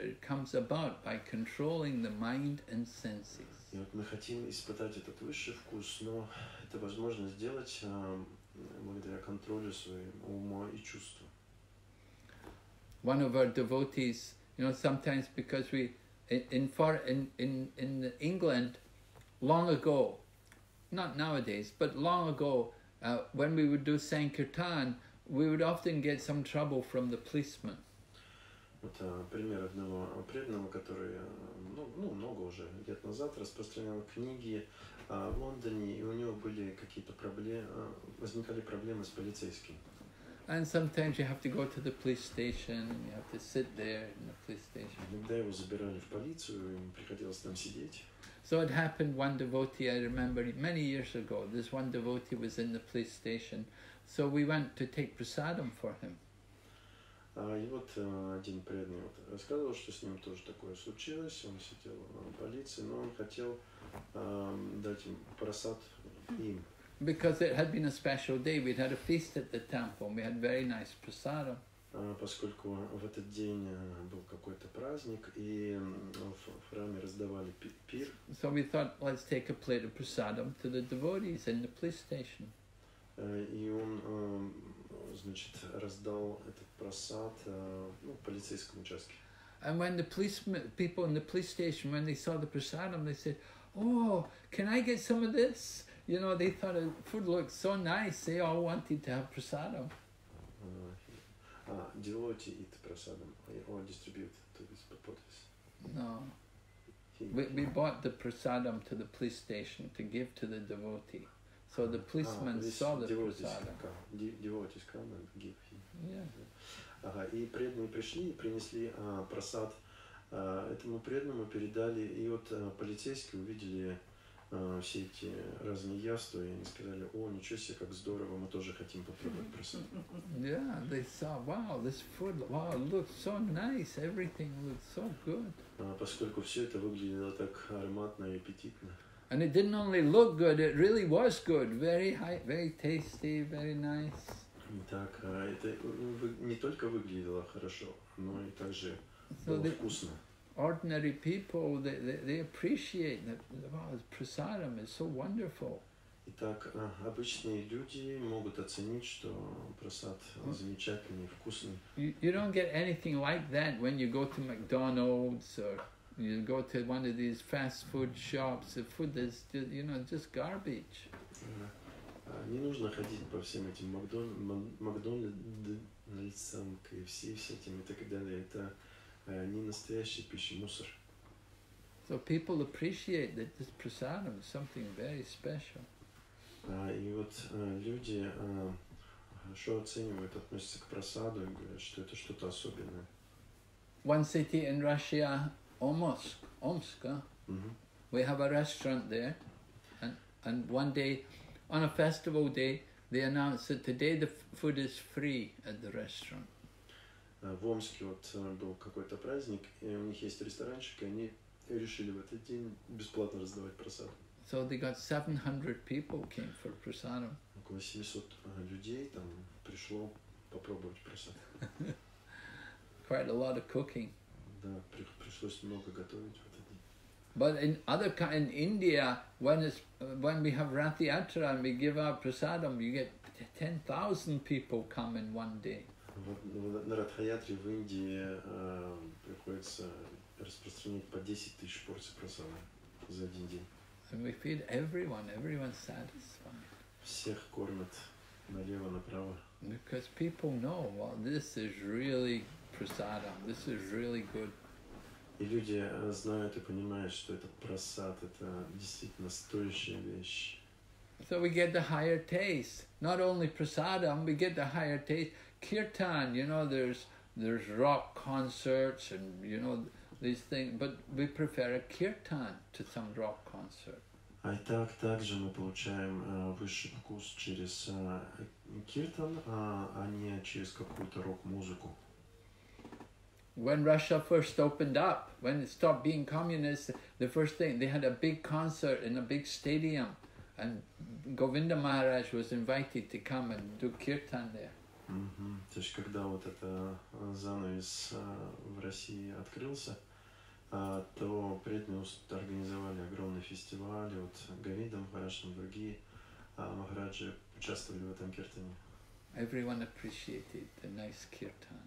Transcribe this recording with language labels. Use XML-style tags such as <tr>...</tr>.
<en>It comes about by controlling the mind and senses.</en> <ru>И вот мы хотим испытать этот высший вкус, но это возможно сделать благодаря контролю своего ума и чувства.</ru> <en>One of our devotees, you know, sometimes because we in England long ago, not nowadays, but long ago, when we would do Sankirtan, we would often get some trouble from the policemen.</en> <ru>Вот пример одного преданного, который много уже лет назад распространял книги в Лондоне, и у него были какие-то проблемы, возникали проблемы с полицейскими.</ru> <en>And sometimes you have to go to the police station, and you have to sit there in the police station.</en> <ru>Иногда его забирали в полицию, и ему приходилось там сидеть.</ru> <en>So it happened one devotee, I remember many years ago, this one devotee was in the police station, so we went to take prasadam for him.</en> <ru>И вот один преданный вот рассказывал, что с ним тоже такое случилось. Он сидел в полиции, но он хотел дать им просад им.</ru> <en>Because it had been a special day, we'd had a feast at the temple, and we had very nice prasadam.</en> <ru>Поскольку в этот день был какой-то праздник, и в храме раздавали пир. So we thought, let's take a plate of prasadam to the devotees in the police station. И он значит, раздал этот просад ну, полицейскому участке.</ru> <en>And when the people in the police station, when they saw the prasadam, they said, "Oh, can I get some of this?" You know, they thought the food looked so nice. They all wanted to have prasadam.</en> <ru>Делайте это прасадам. Он дистрибьютит это подпись.</ru> <en>No. We bought the prasadam to the police station to give to the devotee. So the policeman saw the prasadam. Devotees come and give him. Yeah.</en> <ru>Ага, и преданные пришли и принесли просад этому преданному, передали. И вот полицейские увидели все эти разные яства, и они сказали, о, ничего себе, как здорово, мы тоже хотим попробовать просад.</ru> <en>Yeah, they saw, wow, this food, wow, looks so nice, everything looks so good.</en> <ru>Поскольку все это выглядело так ароматно и аппетитно.</ru> <en>And it didn't only look good, it really was good, very high, very tasty, very nice.</en> <ru>Так, это не только выглядело хорошо, но и также было вкусно.</ru> <en>Ordinary people, they appreciate that wow, prasadam is so wonderful.</en> <ru>Итак, обычные люди могут оценить, что просад замечательный, вкусный.</ru> <en>You don't get anything like that when you go to McDonald's or you go to one of these fast food shops. The food is, you know, just garbage.</en> <ru>Не нужно ходить по всем этим Макдональдсам, KFC, все этим и так далее. Это не настоящая пища, мусор.</ru> <en>So people appreciate that this prasadam is something very special.</en> <ru>И вот люди хорошо оценивают, относятся к просаду и говорят, что это что-то особенное.</ru> <en>One city in Russia, Omsk, we have a restaurant there, and one day, on a festival day, they announced that today the food is free at the restaurant.</en> <ru>В Омске вот был какой-то праздник, и у них есть ресторанчик, и они решили в этот день бесплатно раздавать просад.</ru> <en>So they got 700 people came for prasadam.</en> <ru>Около 700 людей там пришло попробовать просад.</ru> <en>Quite a lot of cooking.</en> <ru>Да, пришлось много готовить в этот день.</ru> <en>But in India, when we have Rath Yatra and we give out prasadam, you get 10,000 people come in one day.</en> <ru>На Радха-Ятре в Индии приходится распространить по 10 тысяч порций просада за один день.</ru> <en>And we feed everyone satisfied.</en> <ru>Всех кормят налево-направо.</ru> <en>Because people know, well, this is really prasadam, this is really good.</en> <ru>И люди знают и понимают, что этот просад, это действительно стоящая вещь.</ru> <en>So we get the higher taste. Not only prasadam, we get the higher taste. Kirtan, you know, there's rock concerts and, you know, these things, but we prefer a kirtan to some rock concert.</en> <ru>И так, также мы получаем высший вкус через kirtan, а не через какую-то рок-музыку.</ru> <en>When Russia first opened up, when it stopped being communist, the first thing, they had a big concert in a big stadium, and Govinda Maharaj was invited to come and do kirtan there.</en> <ru>То есть, когда вот этот занавес в России открылся, то преданные организовали огромный фестиваль, вот Говинда Махарадж, другие махараджи участвовали в этом киртане.</ru> <en>Everyone appreciated the nice kirtan.</en>